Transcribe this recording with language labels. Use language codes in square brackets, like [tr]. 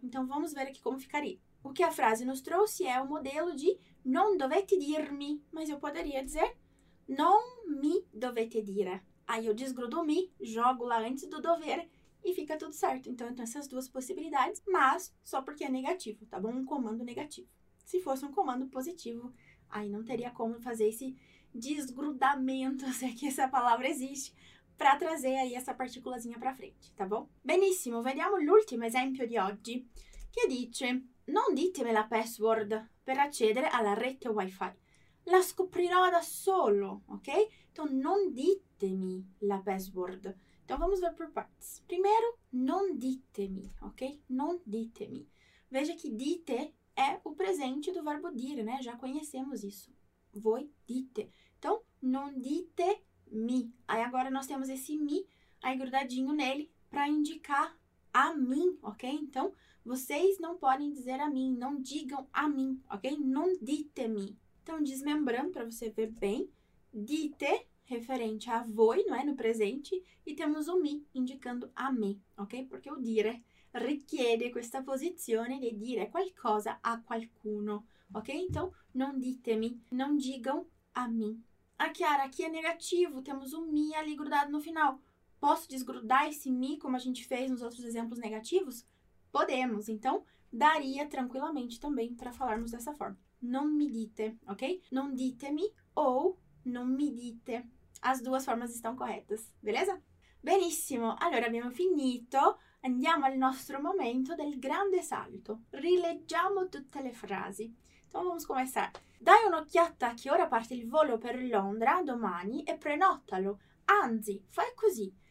[pt] Então, vamos ver aqui como ficaria. O que a frase nos trouxe é o modelo de [it] non dovete dirmi, [pt] mas eu poderia dizer [it] non mi dovete dire. [pt] Aí eu desgrudo o mi, jogo lá antes do dovere e fica tudo certo. Então, essas duas possibilidades, mas só porque é negativo, tá bom? Um comando negativo. Se fosse um comando positivo, aí não teria como fazer esse desgrudamento, se é que essa palavra existe, para trazer aí essa partículazinha para frente, tá bom? [it] Benissimo, vediamo l'ultimo esempio di oggi, che dice: Non ditemi la password per accedere alla rete Wi-Fi. La scoprirò da solo, ok? Então, non ditemi la password. [pt] Então, vamos ver por partes. Primeiro, non ditemi, ok? Non ditemi. Veja que dite é o presente do verbo dire, né? Já conhecemos isso. Voi dite. Então, non dite mi. Aí agora nós temos esse mi aí grudadinho nele para indicar a mim, ok? Então, vocês não podem dizer a mim, não digam a mim, ok? Non dite mi. Então, desmembrando para você ver bem, dite referente a voi, não é? No presente, e temos o mi indicando a me, ok? Porque o [it] dire richiede questa posizione di dire qualcosa a qualcuno, ok? [pt] Então, non ditemi, non digam a mim. A Chiara, aqui é negativo, temos o mi ali grudado no final. Posso desgrudar esse mi como a gente fez nos outros exemplos negativos? Podemos, então daria tranquilamente também para falarmos dessa forma. [it] Non mi dite, ok? Non ditemi ou non mi dite. [pt] As duas formas estão corretas, beleza? [it] Benissimo, allora abbiamo finito. Andiamo al nostro momento del grande salto. Rileggiamo tutte le frasi. [pt] Então vamos começar. [it] Dai un'occhiata a che ora parte il volo per Londra domani e prenotalo. Anzi, fai così.